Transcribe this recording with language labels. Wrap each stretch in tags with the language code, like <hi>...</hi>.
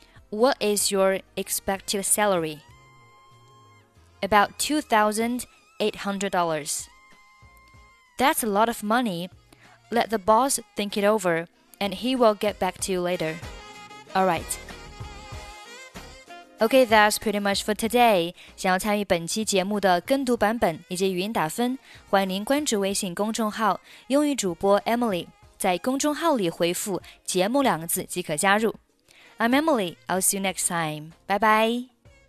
<en>What is your expected salary? About $2,800. That's a lot of money. Let the boss think it over, and he will get back to you later. All right. Okay, that's pretty much for today.</en> <zh>想要参与本期节目的跟读版本以及语音打分，欢迎您关注微信公众号“英语主播 Emily”。在公众号里回复“节目”两个字即可加入。</zh> <en>I'm Emily. I'll see you next time. Bye bye.</en>